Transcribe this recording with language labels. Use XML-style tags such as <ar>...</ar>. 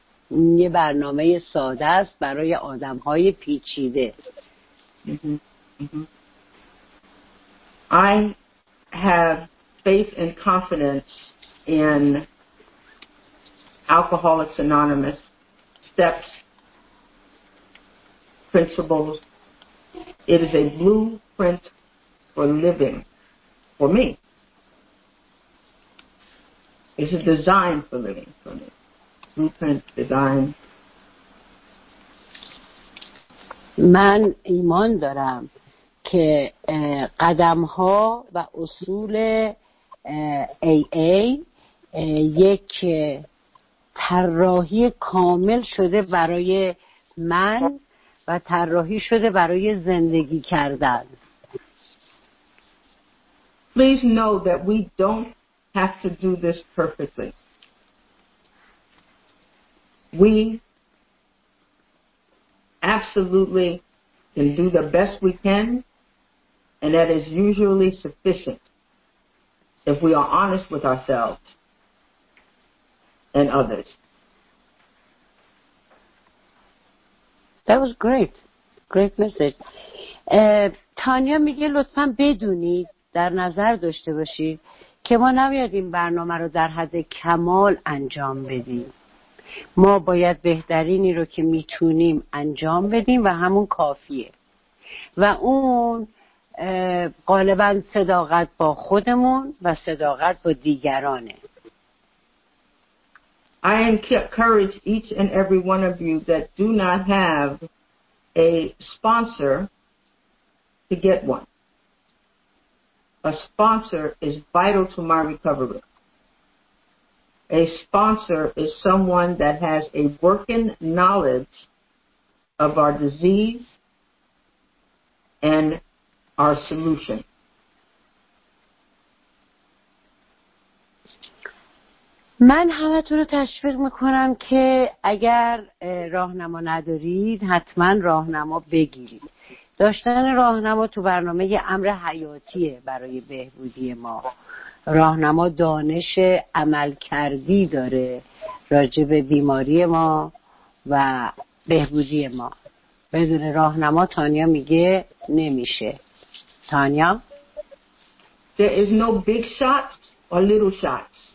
<fa>یه برنامه ساده است برای آدم‌های پیچیده.</fa> <en>I have faith and confidence in Alcoholics Anonymous steps, principles. It is a blueprint for living for me. It's a design for living for me. Blueprint, design.</en> <fa>من ایمان دارم که قدم‌ها و اصول AA یک طراحی کامل شده برای من و طراحی شده برای زندگی کردن.</fa> <en>Please know that we don't have to do this perfectly. We absolutely can do the best we can, and that is usually sufficient if we are honest with ourselves and others. That was great. Great message.</en> <fa>تانیا میگه لطفاً بدونید، در نظر داشته باشید که ما نباید این برنامه رو در حد کمال انجام بدیم. ما باید بهترینی رو که میتونیم انجام بدیم و همون کافیه. و اون غالبا صداقت با خودمون و صداقت با دیگرانه.</fa> <en>I encourage each and every one of you that do not have a sponsor to get one. A sponsor is vital to my recovery. A sponsor is someone that has a working knowledge of our disease and our solution.</en> <fa>من همتون رو تشویق میکنم که اگر راهنما ندارید حتما راهنما بگیرید. داشتن راهنما تو برنامه یه امر حیاتیه برای بهبودی ما. راهنما دانش عملکردی داره راجع به بیماری ما و بهبودی ما. بدون راهنما تانیا میگه نمیشه. تانیا؟</fa> <en>There is no big shot or little shot.</en>